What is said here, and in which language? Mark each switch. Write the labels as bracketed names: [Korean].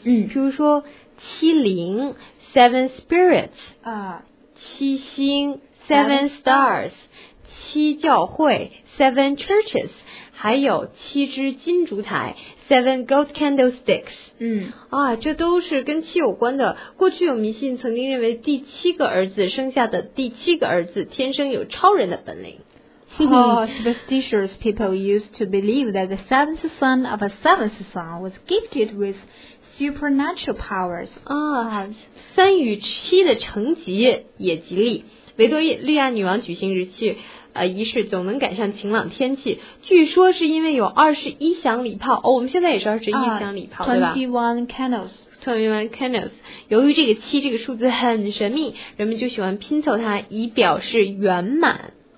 [Chinese] 譬如说七灵 , [English] seven spirits, [Chinese] 七星 , [English] seven stars, [Chinese] 七教会 , [English] seven churches, [Chinese] 还有七只金烛台 , [English] seven gold candlesticks。 [Chinese] 这都是跟七有关的。过去有迷信曾经认为第七个儿子生下的第七个儿子天生有超人的本领。 [English] Superstitious people used to believe that the seventh son of a seventh son was gifted with supernatural powers. [Chinese] 三与七的成吉也吉利。维多利亚女王举行仪式总能赶上晴朗天气，据说是因为有21响礼炮。我们现在也是21响礼炮，对吧？ [English] 21 candles。 [Chinese] 由于这个七这个数字很神秘，人们就喜欢拼凑它以表示圆满。